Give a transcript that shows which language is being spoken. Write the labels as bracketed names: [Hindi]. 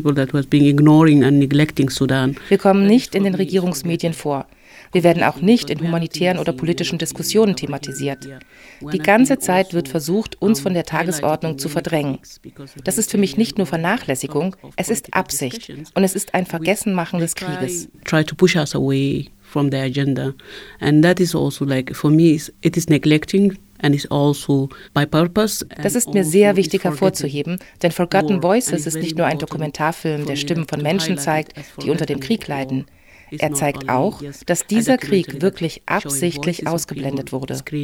[German] Wir kommen nicht in den Regierungsmedien vor. Wir werden auch nicht in humanitären oder politischen Diskussionen thematisiert. Die ganze Zeit wird versucht, uns von der Tagesordnung zu verdrängen. Das ist für mich nicht nur Vernachlässigung, es ist Absicht und es ist ein Vergessenmachen des Krieges. [English] Try to push us away from the agenda, and that is also like for me, it is neglecting. [German] Das ist mir sehr wichtig hervorzuheben, denn Forgotten Voices ist nicht nur ein Dokumentarfilm, der Stimmen von Menschen zeigt, die unter dem Krieg leiden. Er zeigt auch, dass dieser Krieg wirklich absichtlich ausgeblendet wurde.